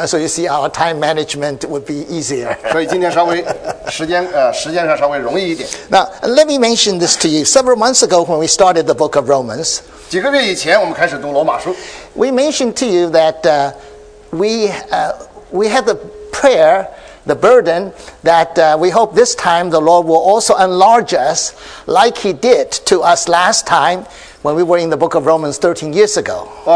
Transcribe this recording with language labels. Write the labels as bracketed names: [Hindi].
[English] So you see, our time management would be easier. [Chinese] 所以今天稍微时间上稍微容易一点。 [English] Now let me mention this to you. Several months ago, when we started the book of Romans, [Chinese] 几个月以前我们开始读罗马书, [English] we mentioned to you that we had the prayer. The burden that we hope this time the Lord will also enlarge us like he did to us last time when we were in the book of Romans 13 years ago.